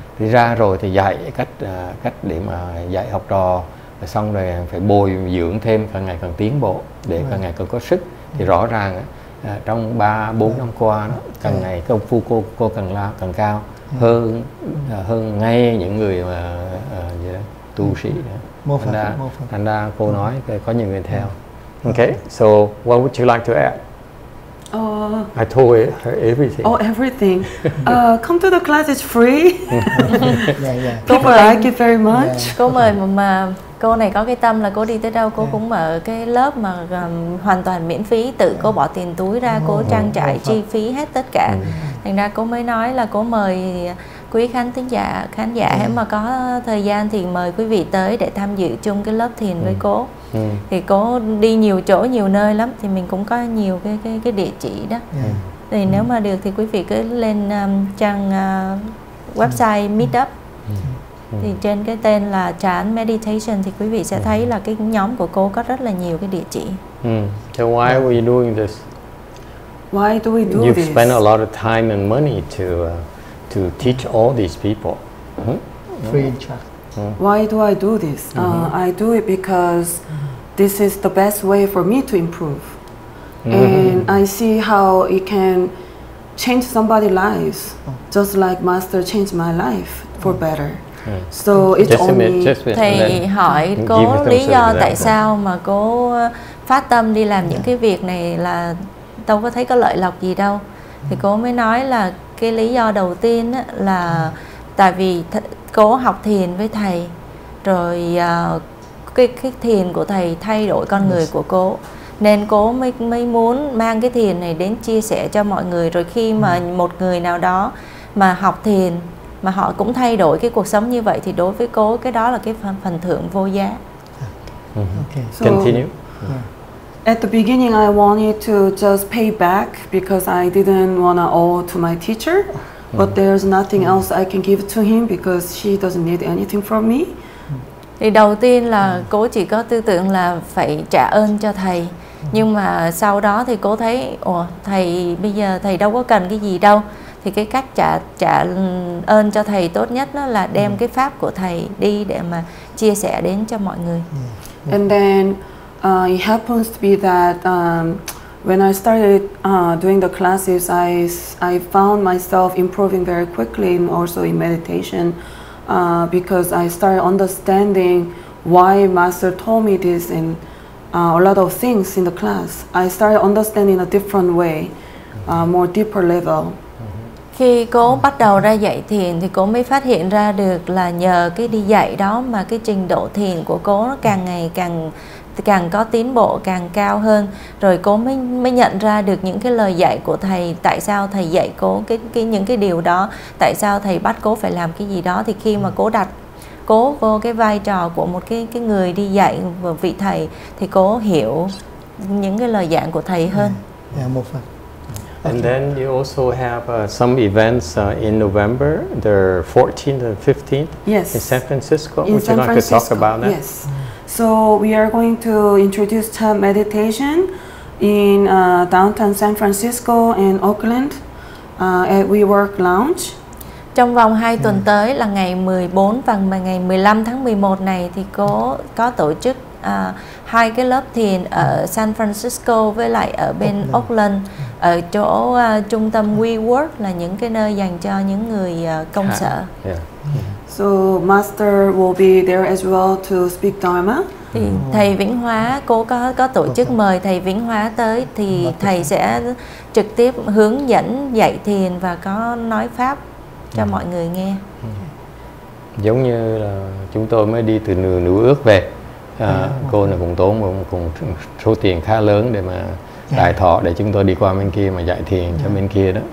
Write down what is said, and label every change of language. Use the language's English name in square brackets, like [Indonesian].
[Vietnamese] Đi ra rồi thì dạy cách cách để mà dạy học trò, rồi xong rồi phải bồi dưỡng thêm càng ngày càng tiến bộ để càng ngày càng có sức. Thì rõ ràng trong 3-4 năm qua đó, càng ngày công phu cô càng lao càng cao hơn hơn ngay những người mà tu sĩ đó. Thành ra cô nói có nhiều người theo. [English] Okay, so what would you like to add? I told her everything. Oh, everything. Come to the class, it's free. Yeah, yeah. Cô mời, I give very much. [Vietnamese] Cô mời mà cô này có cái tâm là cô đi tới đâu cô cũng mở cái lớp mà hoàn toàn miễn phí, tự cô bỏ tiền túi ra, cô trang trải chi phí hết tất cả. Thành ra cô mới nói là cô mời quý khán giả nếu mà có thời gian thì mời quý vị tới để tham dự chung cái lớp thiền với cô. Thì cô đi nhiều chỗ, nhiều nơi lắm, thì mình cũng có nhiều cái địa chỉ đó. Thì nếu mà được thì quý vị cứ lên trang website Meetup. Thì trên cái tên là Chan Meditation thì quý vị sẽ thấy là cái nhóm của cô có rất là nhiều cái địa chỉ. [English] So why are you doing this? Why do we do You've this? You spend a lot of time and money to teach all these people. Free in charge. Why do I do this? I do it because this is the best way for me to improve. And I see how it can change somebody's lives, just like Master changed my life for better. So it's just only... [Vietnamese] Thầy hỏi cô lý do tại sao mà cô phát tâm đi làm những cái việc này là đâu có thấy có lợi lộc gì đâu. Thì cô mới nói là cái lý do đầu tiên là tại vì cô học thiền với thầy, rồi cái thiền của thầy thay đổi con người của cô, nên cô mới muốn mang cái thiền này đến chia sẻ cho mọi người. Rồi khi mà một người nào đó mà học thiền mà họ cũng thay đổi cái cuộc sống như vậy, thì đối với cô cái đó là cái phần thưởng vô giá. [English] Okay. Continue. At the beginning, I wanted to just pay back because I didn't want to owe to my teacher. But there's nothing else I can give to him because she doesn't need anything from me. [Vietnamese] Thì đầu tiên là cô chỉ có tư tưởng là phải trả ơn cho thầy. Nhưng mà sau đó thì cô thấy, ồ, thầy bây giờ thầy đâu có cần cái gì đâu. Thì cái cách trả ơn cho thầy tốt nhất đó là đem cái pháp của thầy đi để mà chia sẻ đến cho mọi người. [English] And then it happens to be that when I started doing the classes, I found myself improving very quickly, and also in meditation, because I started understanding why Master told me this and a lot of things in the class. I started understanding a different way, more deeper level. [Vietnamese] Khi cô bắt đầu ra dạy thiền thì cô mới phát hiện ra được là nhờ cái đi dạy đó mà cái trình độ thiền của cô nó càng ngày càng có tiến bộ, càng cao hơn. Rồi cô mới nhận ra được những cái lời dạy của thầy, tại sao thầy dạy cô cái những cái điều đó, tại sao thầy bắt cô phải làm cái gì đó. Thì khi mà cô đặt cô vô cái vai trò của một cái người đi dạy và vị thầy, thì cô hiểu những cái lời dạy của thầy hơn. Một phần. [English] And then you also have some events in November, the 14th and 15th in San Francisco. Would you like to talk about that? Yes. So we are going to introduce Chan meditation in downtown San Francisco and Oakland at WeWork Lounge. [Vietnamese] Trong vòng 2 tuần tới là ngày 14 và ngày 15 tháng 11 này thì cô có tổ chức hai cái lớp thiền ở San Francisco với lại ở bên Oakland, ở chỗ trung tâm WeWork, là những cái nơi dành cho những người công sở. [English] So Master will be there as well to speak Dharma. [Vietnamese] Thì thầy Vĩnh Hóa, cô có tổ chức mời thầy Vĩnh Hóa tới, thì thầy sẽ trực tiếp hướng dẫn dạy thiền và có nói pháp cho mọi người nghe. Giống như là chúng tôi mới đi từ Nửa Ước về, cô này cũng tốn cùng số tiền khá lớn để mà đại thọ để chúng tôi đi qua bên kia mà dạy thiền cho bên kia đó.